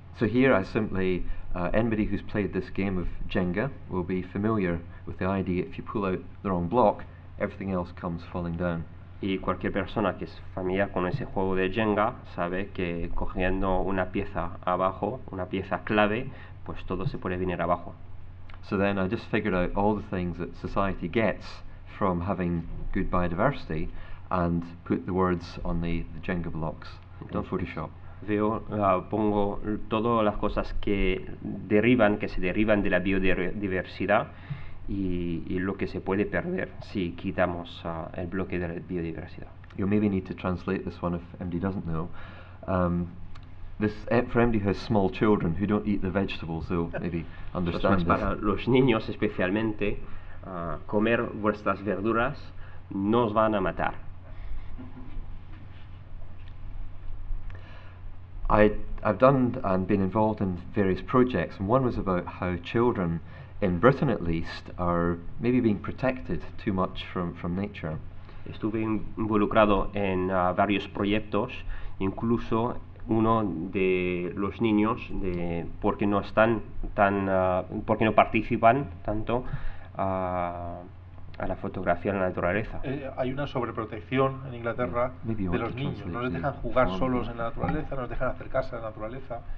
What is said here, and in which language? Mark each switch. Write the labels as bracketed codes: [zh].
[en] So here I simply, anybody who's played this game of Jenga will be familiar with the idea if you pull out the wrong block, everything else comes falling down. [es] Y cualquier persona que es familiar con ese juego de Jenga sabe que cogiendo una pieza abajo, una pieza clave, pues todo se puede venir abajo. [en] So then I just figured out all the things that society gets from having good biodiversity and put the words on the Jenga blocks in Photoshop. [es] Veo, pongo todas las cosas que derivan, que se derivan de la biodiversidad y lo que se puede perder si quitamos el bloque de la biodiversidad. [en] You maybe need to translate this one if MD doesn't know. This for MD has small children who don't eat the vegetables, so maybe understand this. [es] Para los niños especialmente, comer vuestras verduras no os van a matar. [en] I've done and been involved in various projects, and one was about how children, in Britain at least, are maybe being protected too much from nature. [es] Estuve involucrado en varios proyectos, incluso uno de los niños de porque no están tan porque no participan tanto a la fotografía en la naturaleza. Hay una sobreprotección en Inglaterra de los niños. No les dejan jugar solos en la naturaleza, no les dejan acercarse a la naturaleza.